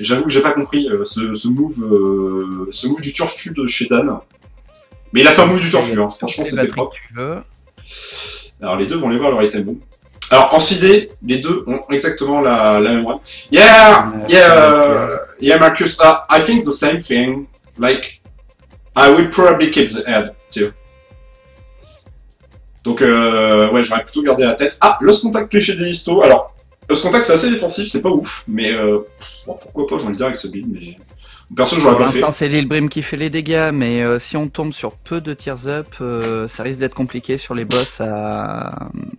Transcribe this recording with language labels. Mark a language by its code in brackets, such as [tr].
[fr] J'avoue que j'ai pas compris ce move du Turfu de chez Dan. Mais il a fait un move du Turfu, hein. Franchement, c'était propre. Alors, les deux vont aller voir leur item bomb. Alors, en CD, les deux ont exactement la même run. [en] Yeah, Marcus, I think the same thing. Like, I will probably keep the head, too. [fr] Donc, ouais, j'aurais plutôt gardé la tête. Ah, Lost Contact cliché des histos. Alors, Ce contact, c'est assez défensif, c'est pas ouf, mais bon, pourquoi pas, j'ai envie de dire avec ce build, mais personne ne jouera pour l'instant, c'est Lilbrim qui fait les dégâts, mais si on tombe sur peu de tears up, ça risque d'être compliqué sur les boss à.